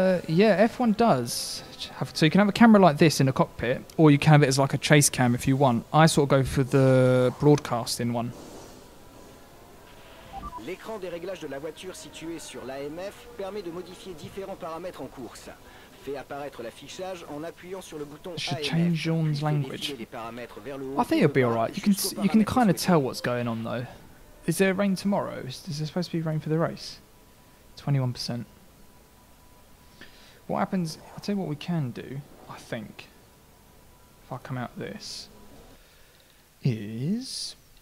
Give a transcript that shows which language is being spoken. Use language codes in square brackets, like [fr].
[en] Yeah, F1 does have, so you can have a camera like this in a cockpit, or you can have it as like a chase cam if you want. I sort of go for the broadcasting one. [fr] L'écran des réglages de la voiture située sur l'AMF permet de modifier différents paramètres en course. Fait apparaître l'affichage en appuyant sur le bouton AMF. [en] Should change Jean's language. I think it'll be alright. You can kind of tell what's going on though. Is there rain tomorrow? Is there supposed to be rain for the race? 21%. What happens? I'll tell you what we can do, I think, if I come out this, is...